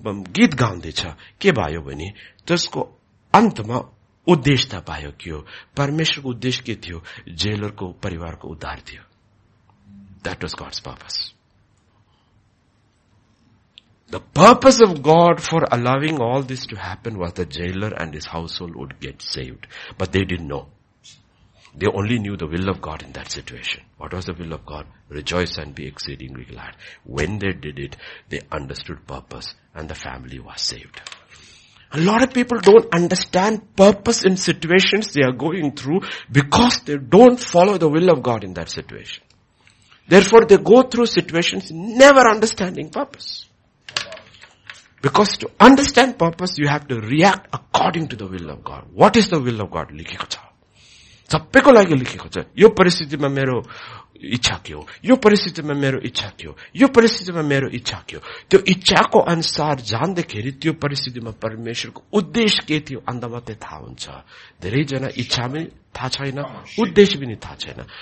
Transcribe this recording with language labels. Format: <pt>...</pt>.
<ne>गीत गाउँदैछ के भयो भने त्यसको अन्तमा उद्देश्य त पायो के हो परमेश्वरको उद्देश्य के थियो जेलरको परिवारको उद्धार थियो</ne> <en>That was God's purpose the purpose of God for allowing all this to happen was the jailer and his household would get saved but they didn't know They only knew the will of God in that situation. What was the will of God? Rejoice and be exceedingly glad. When they did it, they understood purpose and the family was saved. A lot of people don't understand purpose in situations they are going through because they don't follow the will of God in that situation. Therefore, they go through situations never understanding purpose. Because to understand purpose, you have to react according to the will of God. What is the will of God?</en> <ne>सबैको लागि लेखेको छ यो परिस्थितिमा मेरो इच्छा के हो, यो परिस्थिति में मेरो इच्छा के हो, यो परिस्थिति में मेरो इच्छा के हो, त्यो इच्छा को अनुसार जान्दाखेरि त्यो परिस्थिति में परमेश्वर को उद्देश्य के थियो अन्त मात्रै थाहा हुन्छ। धेरै जना इच्छा में थाहा छैन, उद्देश्य भी थाहा छैन।</ne>